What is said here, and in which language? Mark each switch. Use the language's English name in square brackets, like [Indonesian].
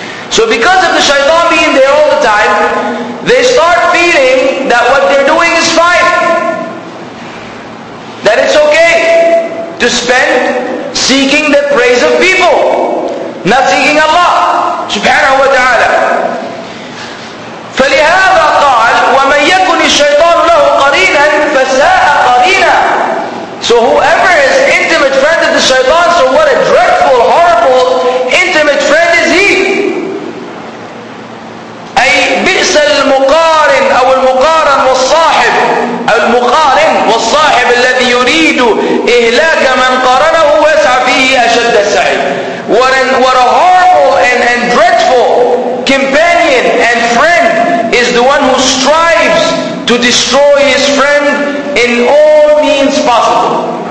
[English] So because of the shaitan being there all the time, they start feeling that what they're doing is fine, that it's okay to spend seeking the praise of people, not seeking Allah subhanahu wa ta'ala. [Arabic] فَلِهَذَا قَالْ وَمَنْ يَكُنِ الشَّيْطَانُ لَهُ قَرِينًا فَسَاءَ قَرِينًا, [English] so whoever is intimate friend of the shaitan, so what a dreadful, horrible intimate friend is he. [Arabic] أي بئس المقارن أو المقارن والصاحب, المقارن والصاحب الذي يريد إهلاك من قارنه ويسعى فيه أشد السعي. [English] What a horrible and dreadful companion and friend is the one who strives to destroy his friend in all means possible.